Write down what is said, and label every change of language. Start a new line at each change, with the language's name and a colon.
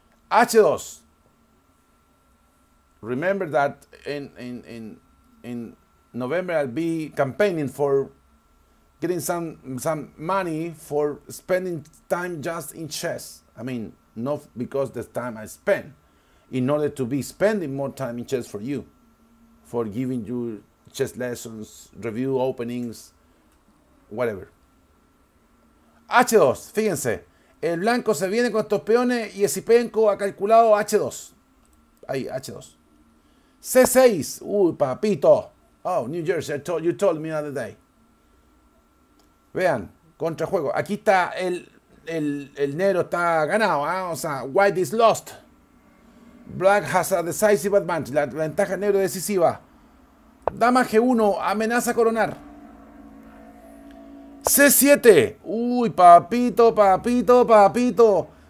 English: H2. Remember that in November I'll be campaigning for getting some money for spending time just in chess. I mean, not because the time I spend, in order to be spending more time in chess for you, for giving you chess lessons, review openings, whatever.
Spanish: H2, fíjense, el blanco se viene con estos peones y Sipenko ha calculado H2. Ahí, H2. C6, papito.
English: Oh, New Jersey, you told me the other day.
Spanish: Vean, contrajuego. Aquí está el negro está ganado, ¿eh? O sea,
English: white is lost. Black has a decisive advantage,
Spanish: la ventaja negro decisiva. Dama G1, amenaza coronar. C7. Uy, papito, papito, papito.